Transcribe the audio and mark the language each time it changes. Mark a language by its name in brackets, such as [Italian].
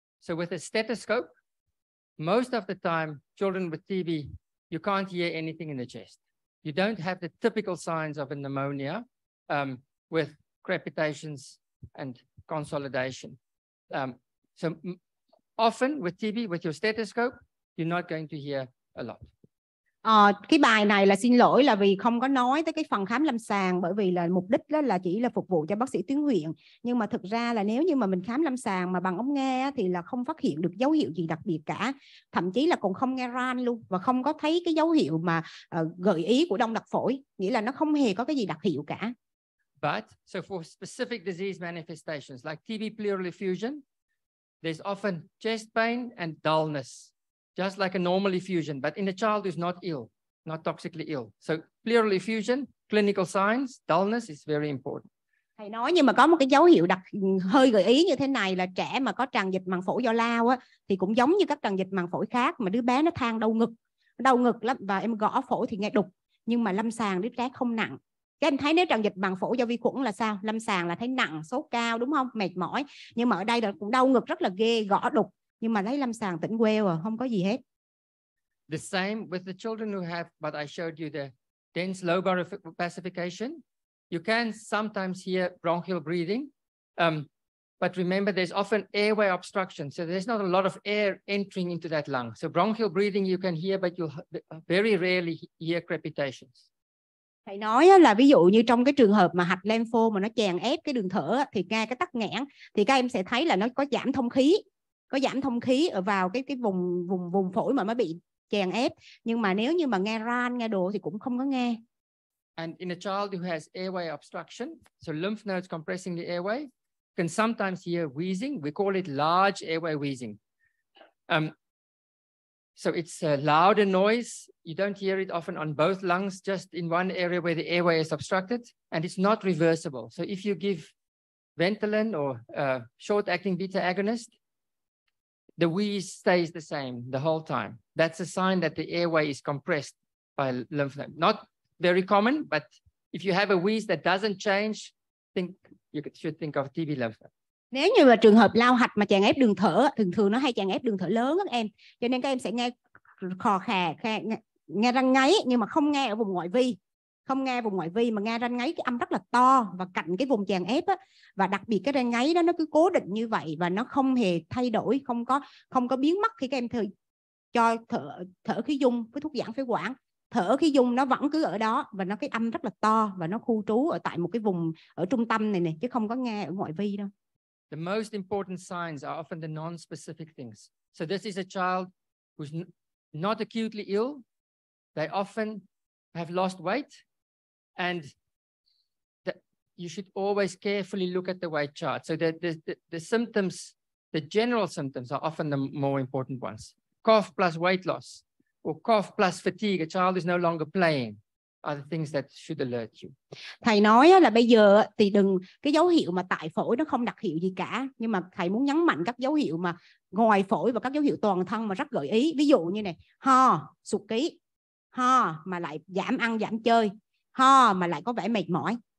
[English] So with a stethoscope, most of the time, children with TB, you can't hear anything in the chest. You don't have the typical signs of a pneumonia with crepitations and consolidation. So often with TB, with your stethoscope, you're not going to hear a lot. [Vietnamese] Cái bài này là xin lỗi là vì không có nói tới cái phần khám lâm sàng, bởi vì là mục đích đó là chỉ là phục vụ cho bác sĩ tuyến huyện. Nhưng mà thực ra là nếu như mà mình khám lâm sàng mà bằng ống nghe á, thì là không phát hiện được dấu hiệu gì đặc biệt cả, thậm chí là còn không nghe ran luôn và không có thấy cái dấu hiệu mà gợi ý của đông đặc phổi, nghĩa là nó không hề có cái gì đặc hiệu cả. [English] But so for specific disease manifestations like TB pleural effusion, there's often chest pain and dullness, just like a normal effusion, but in a child who's not ill, not toxically ill. So pleural effusion, clinical signs, dullness is very important. [Vietnamese] Thầy nói nhưng mà có một cái dấu hiệu đặc hơi gợi ý như thế này là trẻ mà có tràn dịch màng phổi do lao á, thì cũng giống như các tràn dịch màng phổi khác mà đứa bé nó than đau ngực lắm và em gõ phổi thì nghe đục, nhưng mà lâm sàng đứa trẻ không nặng. Các em thấy nếu tràn dịch màng phổi do vi khuẩn là sao? Lâm sàng là thấy nặng, sốt cao đúng không? Mệt mỏi. Nhưng mà ở đây là cũng đau ngực rất là ghê, gõ đục. Nhưng mà thấy lâm sàng tỉnh queo à, không có gì hết. [English] The same with the children who have, but I showed you the dense lobar pacification. You can sometimes hear bronchial breathing. But remember, there's often airway obstruction. So there's not a lot of air entering into that lung. So bronchial breathing you can hear, but you'll very rarely hear crepitations. [Vietnamese] Thầy nói là ví dụ như trong cái trường hợp mà hạch lympho mà nó chèn ép cái đường thở thì nghe cái tắc nghẽn, thì các em sẽ thấy là nó có giảm thông khí, có giảm thông khí ở vào cái vùng phổi mà nó bị chèn ép. Nhưng mà nếu như mà nghe ran, nghe đồ thì cũng không có nghe. [English] And in a child who has airway obstruction, so lymph nodes compressing the airway, can sometimes hear wheezing. We call it large airway wheezing. So it's a louder noise. You don't hear it often on both lungs, just in one area where the airway is obstructed, and it's not reversible. So if you give Ventolin or short-acting beta agonist, the wheeze stays the same the whole time. That's a sign that the airway is compressed by lymph node. Not very common, but if you have a wheeze that doesn't change, think you should think of TB lymph node. [Vietnamese] Nếu như là trường hợp lao hạch mà chèn ép đường thở, thường thường nó hay chèn ép đường thở lớn các em, cho nên các em sẽ nghe khò khè, nghe răng ngáy, nhưng mà không nghe ở vùng ngoại vi, không nghe vùng ngoại vi mà nghe răng ngáy cái âm rất là to và cạnh cái vùng chèn ép á, và đặc biệt cái răng ngáy đó nó cứ cố định như vậy và nó không hề thay đổi, không có biến mất khi các em cho thở khí dung với thuốc giãn phế quản. Thở khí dung nó vẫn cứ ở đó và nó cái âm rất là to và nó khu trú ở tại một cái vùng ở trung tâm này này, chứ không có nghe ở ngoại vi đâu. [English] The most important signs are often the non-specific things. So this is a child who's not acutely ill. They often have lost weight. And you should always carefully look at the weight chart. So the symptoms, the general symptoms are often the more important ones. Cough plus weight loss or cough plus fatigue. A child is no longer playing. Are the things that should alert you. [Vietnamese] Thầy nói là bây giờ thì đừng cái dấu hiệu mà tại phổi nó không đặc hiệu gì cả, nhưng mà thầy muốn nhấn mạnh các dấu hiệu mà ngoài phổi và các dấu hiệu toàn thân mà rất gợi ý. Ví dụ như này, ho, sụt ký, ho mà lại giảm ăn, giảm chơi, ho mà lại có vẻ mệt mỏi.